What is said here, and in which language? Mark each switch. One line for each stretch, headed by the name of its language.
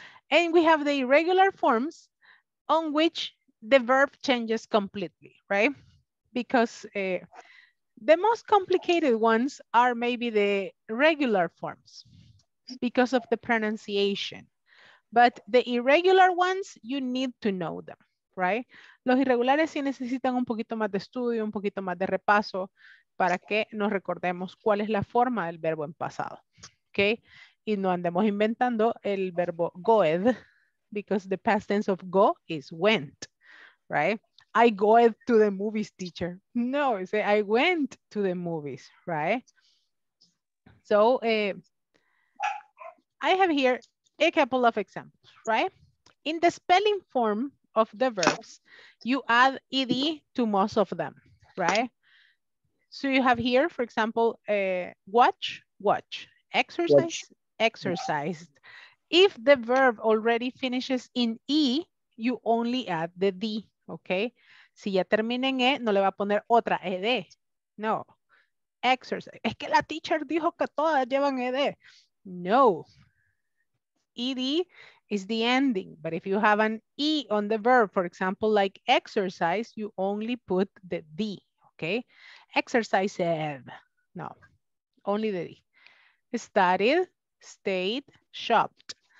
English: And we have the irregular forms on which the verb changes completely, right? Because the most complicated ones are maybe the regular forms because of the pronunciation. But the irregular ones, you need to know them, right?
Spanish: Los irregulares sí necesitan un poquito más de estudio, un poquito más de repaso para que nos recordemos cuál es la forma del verbo en pasado, okay? Y no andemos inventando el verbo
English: goed, because the past tense of go is went, right? I goed to the movies, teacher. No, say I went to the movies, right? So I have here a couple of examples, right? In the spelling form of the verbs, you add ed to most of them, right? So you have here, for example, watch, exercised. If the verb already finishes in e, you only add the d, okay?
Spanish: Si ya termina en e, no le va a poner otra ed. No, exercise. Es que la teacher dijo que todas llevan ed. No.
English: ED is the ending, but if you have an E on the verb, for example, like exercise, you only put the D, okay? Exercised, no, only the D. Studied, stayed, shopped.